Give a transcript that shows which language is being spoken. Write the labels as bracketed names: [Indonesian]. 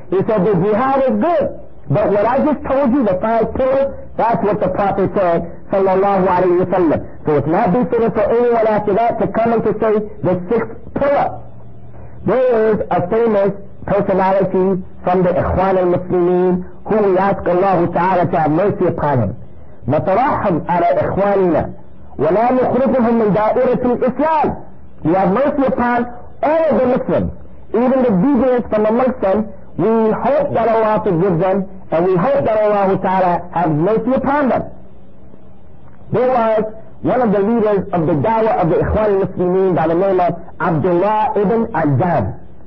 [English] He said, the jihad is good, but what I just told you, the five pillars, that's what the Prophet said sallallahu alayhi wa sallam. So it's not befitting for anyone after that to come and to say the sixth pillar. There is a famous personality from the Ikhwan al-Muslimin who we ask Allah ta'ala to have mercy upon him. [Arabic] نتراحم على إخواننا ولا نخرجهم من دائرة الإسلام. [English] We have mercy upon all of the Muslims, even the deviants from amongst them. We hope that Allah forgive them, and we hope that Allah Ta'ala has mercy upon them. There was one of the leaders of the da'wah of the Ikhwan al-Muslimin by the name of Abdullah ibn Azam.